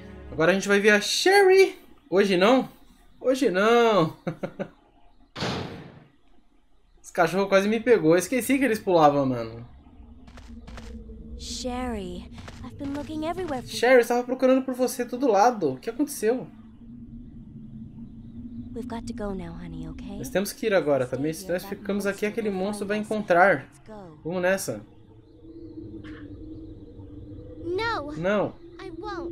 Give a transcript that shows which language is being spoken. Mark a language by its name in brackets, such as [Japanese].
[Portuguese] Agora a gente vai ver a Sherry. Hoje não? Hoje não. Esse cachorro quase me pegou. Eu esqueci que eles pulavam, mano. [English] Sherry, I've been looking everywhere for you. [Portuguese] Sherry, estava procurando por você todo lado. O que aconteceu? [English] We've got to go now, honey, [Portuguese] Nós [English] okay? [Portuguese] temos que ir agora também, se nós ficamos aqui, aquele monstro vai encontrar. [English] Let's go. [Portuguese] Vamos nessa. [English] No, [Portuguese] Não. [English] I won't.